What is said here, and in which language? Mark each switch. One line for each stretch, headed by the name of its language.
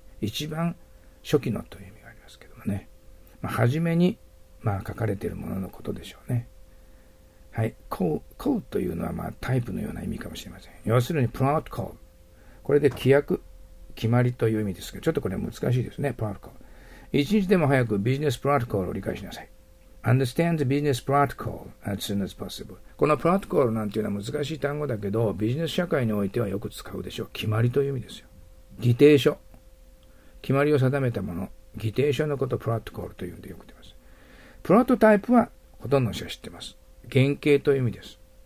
Japanese: 一番初期のという意味ね、まあ、初めに、まあ、書かれているもののことでしょうね。はい、コーというのは、まあ、タイプのような意味かもしれません。要するに、プロトコール。これで規約、決まりという意味ですけど、ちょっとこれ難しいですね、プロトコール。一日でも早くビジネスプロトコールを理解しなさい。
English: Understand the business protocol as soon as possible.
Japanese: このプロトコールなんていうのは難しい単語だけど、ビジネス社会においてはよく使うでしょう。決まりという意味ですよ。議定書。決まりを定めたもの。議定書のことをプロトコルというんでよく出ます。プロトタイプはほとんどの人は知ってます。原型という意味です。